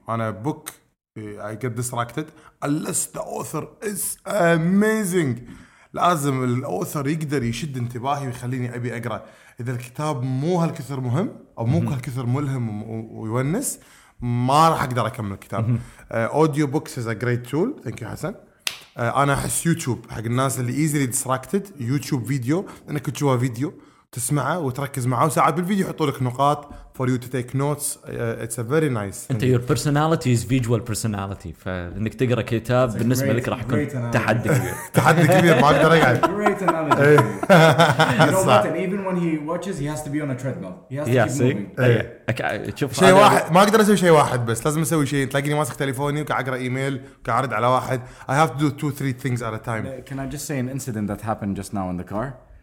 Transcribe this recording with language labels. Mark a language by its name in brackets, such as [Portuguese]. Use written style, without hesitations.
[English] أنا book I get distracted unless the author is amazing. [Arabic] لازم الأوثر يقدر يشد انتباهي ويخليني أبي أقرأ. إذا الكتاب مو هالكثر مهم أو مو هالكثر ملهم ويونس ما راح أقدر أكمل الكتاب. [English] Audiobooks is a great tool. Thank you حسن. [Arabic] أنا أحس يوتيوب حق الناس اللي [English] easily distracted. [Arabic] يوتيوب فيديو أنا كنت جوا فيديو تسمعه وتركز معه وساعات بالفيديو يحطوا لك نقاط [English] for you to take notes. It's a very nice. And your personality is visual personality. [Arabic] فإنك تقرأ كتاب بالنسبة لك راح يكون تحدي كبير. تحدي كبير ما أقدر أقعد. [English] Great analogy. You know what? And even when he watches, he has to be on a treadmill. He has to keep moving. [Arabic] شوف. شيء واحد ما أقدر أسوي شيء واحد بس لازم أسوي شيء. تلاقيني ماسك تليفوني وكأقرأ إيميل وكأعرض على واحد. [English] I have to do 2-3 things at a time. Can I just say an incident that happened just now in the car?